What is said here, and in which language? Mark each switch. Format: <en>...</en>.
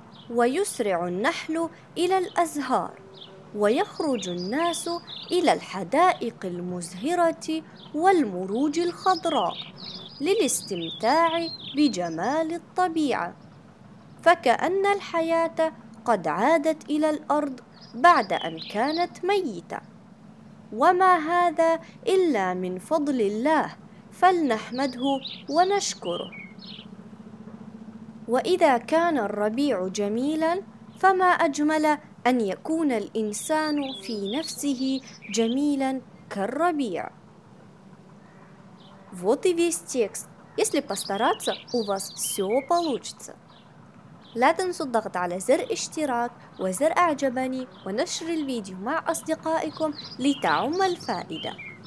<ar>ويسرع النحل إلى الأزهار ويخرج الناس إلى الحدائق المزهرة والمروج الخضراء للاستمتاع بجمال الطبيعة فكأن الحياة قد عادت إلى الأرض بعد أن كانت ميتة وما هذا إلا من فضل الله فلنحمده ونشكره وإذا كان الربيع جميلا فما أجمل أن يكون الإنسان في نفسه جميلا كالربيع.</ar> <ru>Вот и весь текст. Если постараться, у вас все получится.</ru> <ar>لا تنسوا الضغط على زر اشتراك وزر اعجبني ونشر الفيديو مع أصدقائكم لتعم الفائدة.</ar>